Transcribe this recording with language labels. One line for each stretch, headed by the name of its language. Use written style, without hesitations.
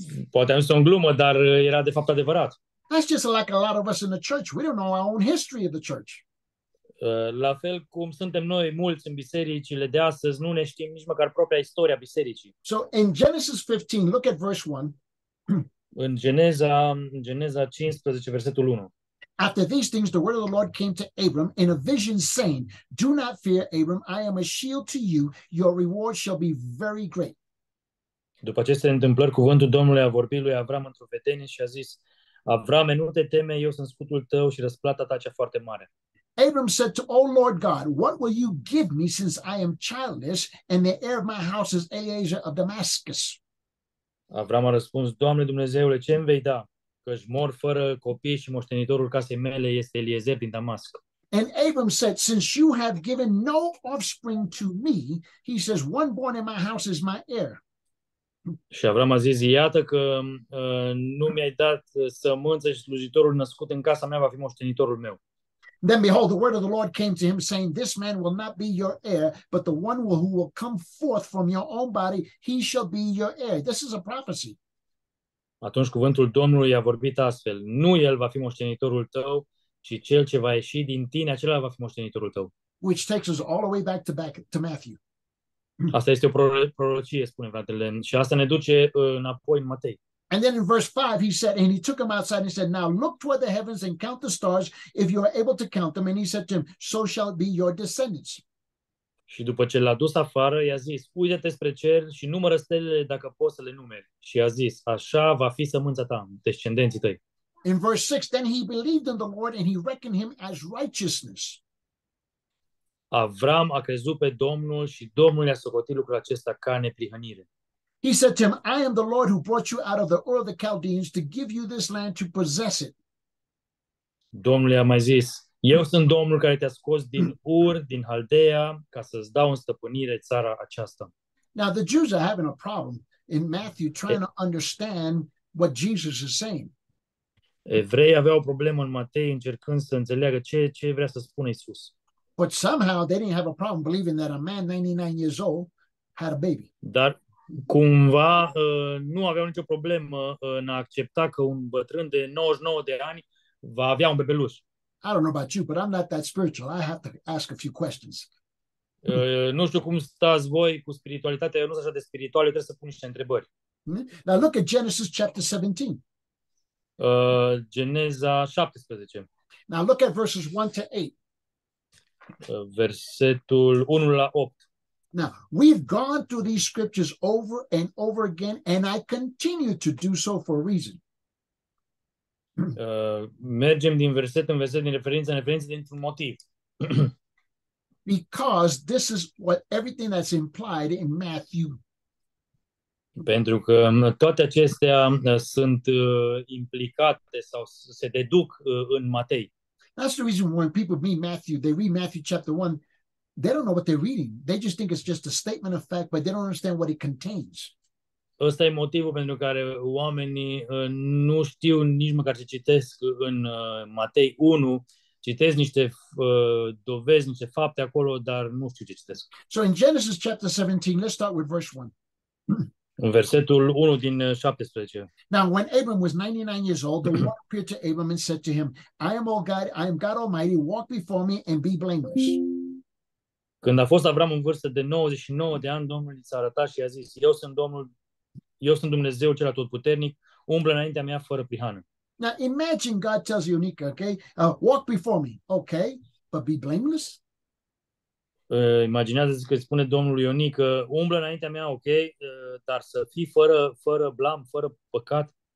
Romanian: Poate am zis o glumă, dar era de fapt adevărat.
English: That's just like a lot of us in the church. We don't know our own history of the church.
Romanian: La fel cum suntem noi mulți în bisericile de astăzi, nu ne știm nici măcar propria istoria bisericii.
English: So in Genesis 15, look at verse 1.
Romanian: În Geneza 15, versetul 1.
English: After these things, the word of the Lord came to Abram in a vision saying, do not fear, Abram, I am a shield to you, your reward shall be very great.
Romanian: După aceste întâmplări, cuvântul Domnului a vorbit lui Avram într-o vedenie și a zis, Avrame, nu te teme, eu sunt scutul tău și răsplata ta cea foarte mare.
English: Abram said to, O Lord God, what will you give me since I am childless and the heir of my house is Eliezer of Damascus?
Romanian: Avram a răspuns, Doamne Dumnezeule, ce îmi vei da? căci mor fără copii și moștenitorul casei mele este Eliezer din Damasc.
English: And Abram said, since you have given no offspring to me, he says, one born in my house is my heir.
Romanian: Și Avram a zis, iată că nu mi-ai dat sămânță și slujitorul născut în casa mea va fi moștenitorul meu.
English: Then behold, the word of the Lord came to him, saying, this man will not be your heir, but the one who will come forth from your own body, he shall be your heir. This is a prophecy.
Romanian: Atunci cuvântul Domnului a vorbit astfel, nu el va fi moștenitorul tău, ci cel ce va ieși din tine, acela va fi moștenitorul tău.
English: Which takes us all the way back to Matthew.
Romanian: Asta este o prorocie, spune fratele, și asta ne duce înapoi în Matei.
English: And then in verse 5 he said, and he took him outside and he said, now look toward the heavens and count the stars if you are able to count them. And he said to him, so shall be your descendants.
Romanian: Și după ce l-a dus afară, i-a zis, uite-te spre cer și numără stelele dacă poți să le numeri. Și a zis, așa va fi sămânța ta, descendenții tăi.
English: In verse 6, then he believed in the Lord and he reckoned him as righteousness.
Romanian: Avram a crezut pe Domnul și Domnul i-a socotit lucrul acesta ca neprihănire.
English: He said to him, I am the Lord who brought you out of the Ur of the Chaldeans to give you this land to possess it.
Romanian: Domnul i-a mai zis, eu sunt Domnul care te-a scos din Ur, din Haldea, ca să-ți dau în stăpânire țara aceasta.
English: Now the Jews are having a problem in Matthew trying to understand what Jesus is saying.
Romanian: Evrei aveau o problemă în Matei încercând să înțeleagă ce vrea să spună Isus.
English: But somehow they didn't have a problem believing that a man 99 years old had a baby.
Romanian: Dar cumva nu aveau nicio problemă în a accepta că un bătrân de 99 de ani va avea un bebeluș.
English: I don't know about you, but I'm not that spiritual. I have to ask a few questions.
Romanian: Nu știu cum stați voi cu spiritualitatea, eu nu sunt așa de spiritual, eu trebuie să pun niște întrebări.
English: Now look at Genesis chapter 17.
Romanian: Geneza 17.
English: Now look at verses 1 to 8.
Romanian: Versetul 1 la 8.
English: Now, we've gone through these scriptures over and over again and I continue to do so for a reason.
Romanian: Mergem din verset în verset, din referință în referință, dintr-un motiv.
English: Because this is what everything that's implied in Matthew.
Romanian: Pentru că toate acestea sunt implicate sau se deduc în Matei.
English: That's the reason when people read Matthew, they read Matthew chapter 1, they don't know what they're reading. They just think it's just a statement of fact, but they don't understand what it contains.
Romanian: Ăsta e motivul pentru care oamenii nu știu nici măcar ce citesc în Matei 1. Citesc niște dovezi, niște fapte acolo, dar nu știu ce citesc.
English: So in Genesis chapter 17, let's start with verse 1.
Romanian: În versetul 1 din 17.
English: Now, when Abram was 99 years old, the Lord appeared to Abram and said to him, I am all God, I am God Almighty, walk before me and be blameless.
Romanian: Când a fost Avram în vârstă de 99 de ani, Domnul i s-a arătat și i-a zis, Eu sunt Dumnezeu cel atotputernic, umblă înaintea mea fără prihană.
English: Now, imagine God tells you, Nica, okay, walk before me, okay, but be blameless?
Romanian: Imaginează-ți că spune domnul Ionic că umblă înaintea mea, ok, dar să fii fără blam, fără păcat.